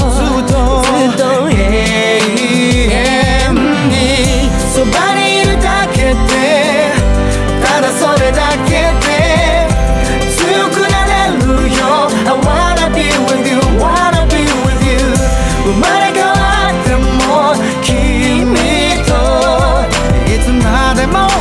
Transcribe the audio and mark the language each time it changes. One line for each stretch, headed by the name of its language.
Japanese: ずっと永遠にそばにいるだけで、ただそれだけで強くなれるよ。
English: I wanna be with you, wanna be with you。
Japanese: 生まれ変わっても君と、いつまでも